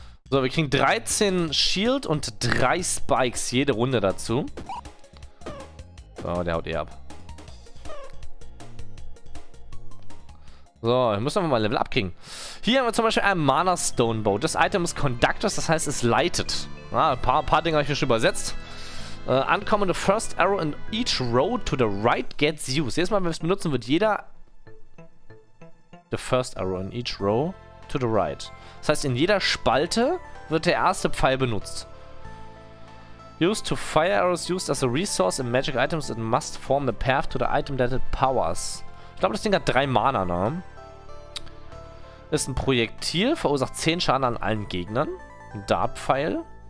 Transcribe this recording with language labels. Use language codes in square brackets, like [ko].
[de] So, wir kriegen 13 Shield und 3 Spikes jede Runde dazu. Oh, der haut eh ab. So, wir müssen einfach mal ein Level abkriegen. Hier haben wir zum Beispiel ein Mana Stone Bow. Das Item ist Conductors, das heißt, es leitet. Ah, ein paar Dinge habe ich mir schon übersetzt. [en] Uncommon the first arrow in each row to the right gets used. [de] Jedes Mal, wenn wir es benutzen, wird jeder. [en] The first arrow in each row to the right. [de] Das heißt, in jeder Spalte wird der erste Pfeil benutzt. [en] Used to fire arrows used as a resource in magic items, it must form a path to the item that it powers. [de] Ich glaube, das Ding hat 3 Mana, ne? Ist ein Projektil, verursacht 10 Schaden an allen Gegnern. Ein Dartpfeil.